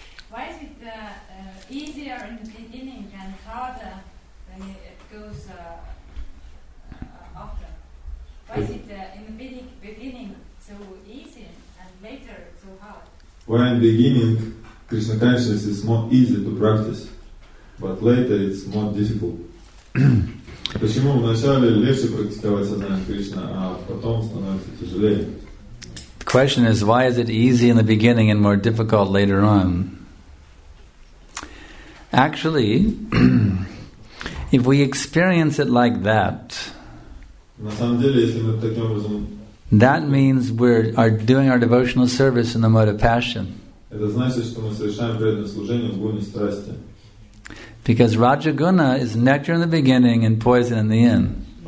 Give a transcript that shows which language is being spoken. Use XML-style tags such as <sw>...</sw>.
<en>Why is it easier in the beginning and harder when it goes after? Why is it in the beginning so easy and later so hard? Why in the beginning Krishna consciousness is more easy to practice, but later it's more difficult?</en> <ru>Почему вначале легче практиковать сознание Кришны, а потом становится тяжелее?</ru> <en>The question is, why is it easy in the beginning and more difficult later on? Actually, if we experience it like that,</en> <ru>на самом деле, если мы таким образом,</ru> <en>that means we're doing our devotional service in the mode of passion.</en> <ru>Это значит, что мы совершаем преданное служение в гуне страсти.</ru> <en>Because Rajaguna is nectar in the beginning and poison in the end.</en>